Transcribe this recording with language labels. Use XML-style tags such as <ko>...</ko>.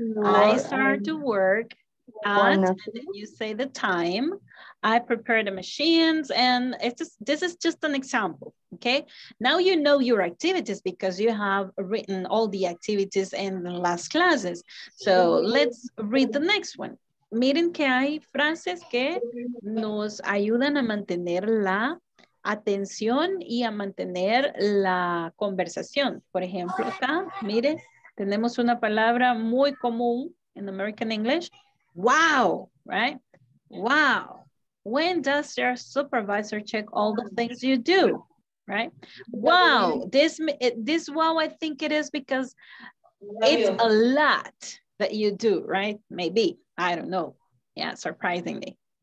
<en>I start to work. And then you say the time. I prepare the machines, and this is just an example. Okay. Now you know your activities because you have written all the activities in the last classes. So let's read the next one.</en> <es>Miren que hay frases que nos ayudan a mantener la atención y a mantener la conversación. Por ejemplo, acá, mire, tenemos una palabra muy común en American English.</es> <en>Wow, right? Wow. When does your supervisor check all the things you do, right? Wow, this wow, I think it is because it's a lot that you do, right? Maybe, I don't know. Yeah, surprisingly.</en>